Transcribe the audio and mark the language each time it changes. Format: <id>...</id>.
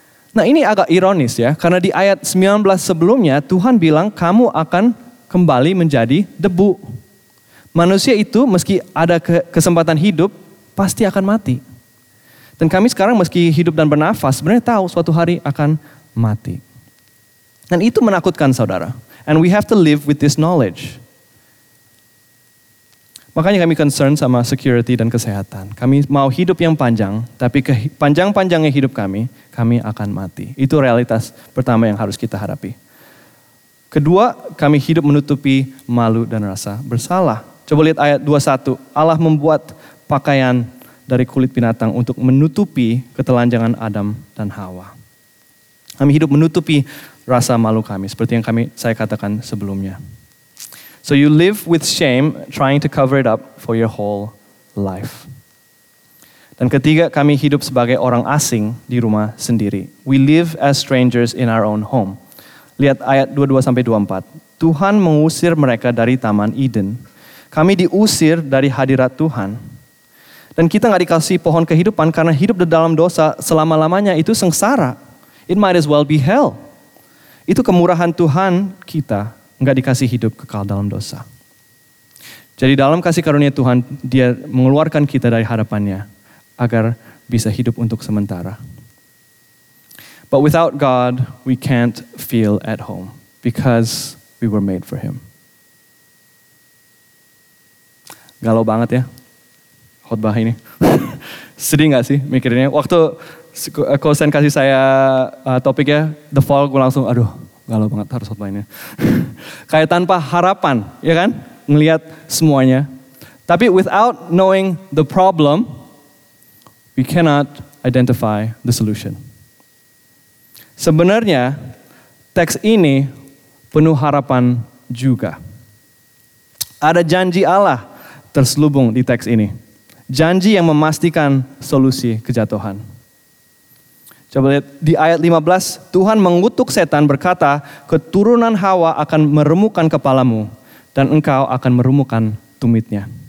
<id>Nah, ini agak ironis ya, karena di ayat 19 sebelumnya Tuhan bilang kamu akan kembali menjadi debu. Manusia itu meski ada kesempatan hidup, pasti akan mati. Dan kami sekarang meski hidup dan bernafas, sebenarnya tahu suatu hari akan mati. Dan itu menakutkan, saudara.</id> <en>And we have to live with this knowledge.</en> <id>Makanya kami concern sama security dan kesehatan. Kami mau hidup yang panjang, tapi panjang-panjangnya hidup kami, kami akan mati. Itu realitas pertama yang harus kita hadapi. Kedua, kami hidup menutupi malu dan rasa bersalah. Coba lihat ayat 21. Allah membuat pakaian dari kulit binatang untuk menutupi ketelanjangan Adam dan Hawa. Kami hidup menutupi rasa malu kami, seperti yang saya katakan sebelumnya.</id> <en>So you live with shame, trying to cover it up for your whole life.</en> <id>Dan ketiga, kami hidup sebagai orang asing di rumah sendiri.</id> <en>We live as strangers in our own home.</en> <id>Lihat ayat 22-24. Tuhan mengusir mereka dari Taman Eden. Kami diusir dari hadirat Tuhan. Dan kita gak dikasih pohon kehidupan karena hidup di dalam dosa selama-lamanya itu sengsara.</id> <en>It might as well be hell.</en> <id>Itu kemurahan Tuhan kita. Enggak dikasih hidup kekal dalam dosa. Jadi dalam kasih karunia Tuhan, dia mengeluarkan kita dari hadapannya agar bisa hidup untuk sementara.</id> <en>But without God, we can't feel at home because we were made for him.</en> <id>Galau banget ya khotbah ini. Sedih enggak sih mikirnya? Waktu kosen kasih saya topiknya, The Fall, gue langsung, aduh. Galau banget harus hot lainnya. Kayak tanpa harapan, ya kan? Ngelihat semuanya.</id> <en>Tapi without knowing the problem, we cannot identify the solution.</en> <id>Sebenarnya, teks ini penuh harapan juga. Ada janji Allah terselubung di teks ini. Janji yang memastikan solusi kejatuhan. Coba lihat di ayat 15, Tuhan mengutuk setan berkata, keturunan Hawa akan meremukkan kepalamu dan engkau akan meremukkan tumitnya.</id>